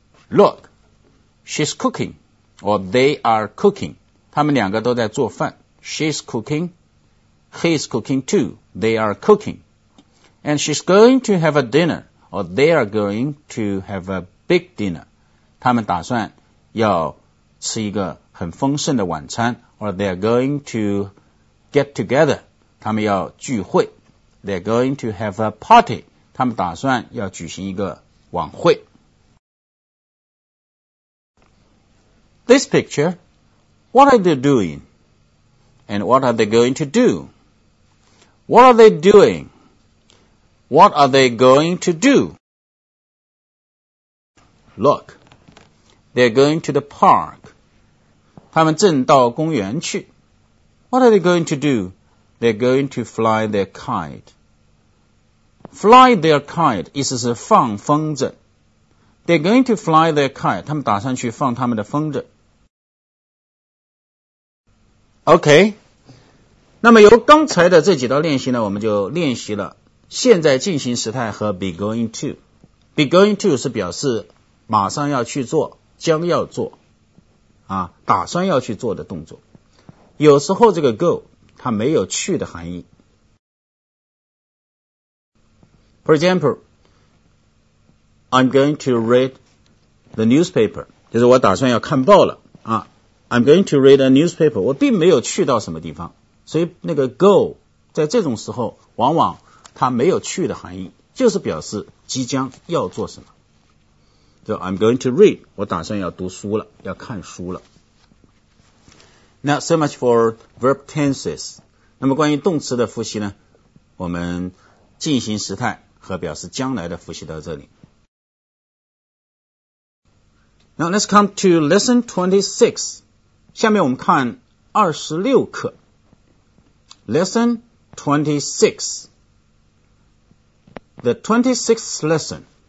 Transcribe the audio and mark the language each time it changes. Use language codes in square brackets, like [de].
[en] Look, she's cooking. Or they are cooking. [zh] 他们两个都在做饭。 [en] She's cooking. He's cooking too. They are cooking. And she's going to have a dinner, or they are going to have a big dinner. [zh] 他们打算要吃一个很丰盛的晚餐 [en] or they are going to get together. [zh] 他们要聚会 [en] They're going to have a party. [zh] 他们打算要举行一个晚会 [en] This picture, what are they doing? And what are they going to do? What are they doing? What are they going to do? Look, they're going to the park. [zh] 他们正到公园去。 [en] What are they going to do? They're going to fly their kite. Fly their kite, [zh] 意思是放风筝。 [en] They're going to fly their kite, [zh] 他们打算去放他们的风筝。 Okay, 那么由刚才的这几道练习呢，我们就练习了。现在进行时态和 [en] be going to be going to [zh] 是表示马上要去做将要做啊，打算要去做的动作有时候这个 go 它没有去的含义 [en] For example I'm going to read the newspaper [zh] 就是我打算要看报了啊。 [en] I'm going to read a newspaper [zh] 我并没有去到什么地方所以那个 go 在这种时候往往它没有去的含义就是表示即将要做什么就 [en] I'm going to read [zh] 我打算要读书了要看书了 [en] Now so much for verb tenses [zh] 那么关于动词的复习呢我们进行时态和表示将来的复习到这里 [en] Now let's come to lesson 26 [zh] 下面我们看26课 [en] Lesson 26The 26th lesson,